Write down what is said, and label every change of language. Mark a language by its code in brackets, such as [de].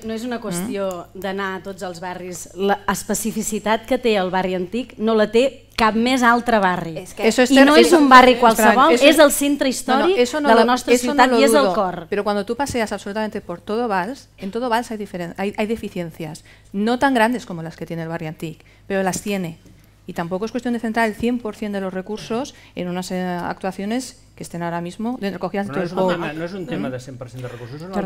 [es] No es una cuestión de [ca] anar [es] a todos los barrios. La especificidad que tiene el barrio antiguo no la tiene [ca] cap més altre barri. I no és un barri qualsevol, és el centre històric de la nostra ciutat i és el cor. Però quan tu passees absolutament per tot Valls, en tot Valls hi ha deficiències, no tan grans com les que té el barri antic, però les té. [es] Y tampoco es cuestión de centrar el 100% de los recursos en unas actuaciones que estén ahora mismo recogidas de todo. No es un tema de 100% de recursos, es un otro tema.